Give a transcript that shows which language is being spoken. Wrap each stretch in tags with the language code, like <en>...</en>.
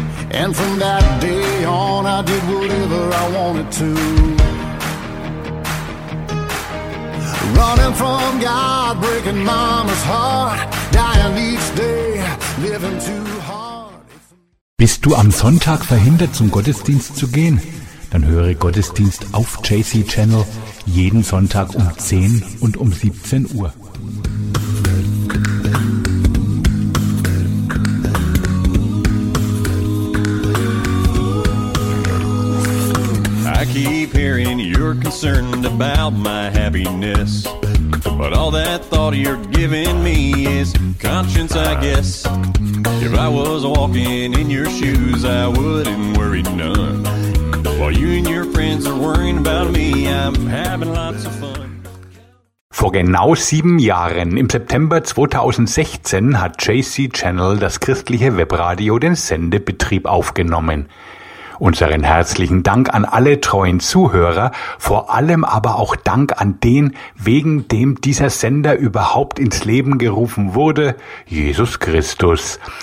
<en>And from that day on, I did whatever I wanted to. Running from God, breaking mama's heart, dying each day, living too.</en> <de>Bist du am Sonntag verhindert, zum Gottesdienst zu gehen? Dann höre Gottesdienst auf JC Channel jeden Sonntag um 10 und um 17 Uhr.</de> <en>I keep hearing you're concerned about my happiness. But all that thought you're giving me is conscience, I guess. If I was walking in your shoes, I wouldn't worry none. While you and your friends are worrying about me, I'm having lots of fun.</en> <de>Vor genau 7 Jahren, im September 2016, hat JC Channel das christliche Webradio den Sendebetrieb aufgenommen. Unseren herzlichen Dank an alle treuen Zuhörer, vor allem aber auch Dank an den, wegen dem dieser Sender überhaupt ins Leben gerufen wurde, Jesus Christus.</de>